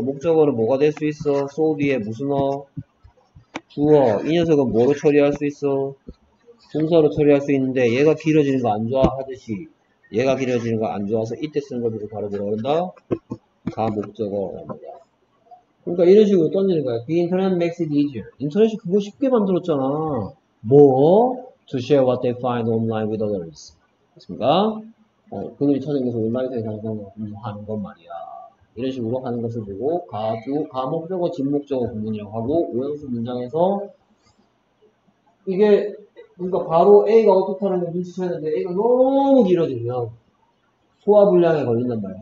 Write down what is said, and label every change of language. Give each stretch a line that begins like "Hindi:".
Korean: 목적어는 뭐가 될 수 있어? so 뒤에 무슨 어? 주어 이 녀석은 뭐로 처리할 수 있어? 동사로 처리할 수 있는데 얘가 길어지는 거 안 좋아하듯이 얘가 길어지는 거 안 좋아서 이때 쓰는 걸 보고 바로 들어간다. 다 목적어랍니다. 그러니까 이런 식으로 던지는 거야.
English: The internet makes it easier.
Korean: 인터넷이 그거 쉽게 만들었잖아. 뭐?
English: To share what they find online with others.
Korean: 됐습니까? 그들이 찾은 것을 온라인에서 공유하는 것 말이야. 이런 식으로 하는 것을 보고 가 목적어, 진목적어 구문이라고 하고 오형수 문장에서 이게 그러니까 바로 A가 어떻다는 걸 눈치채야 되는데 A가 너무 길어지면 소화불량에 걸린단 말이야.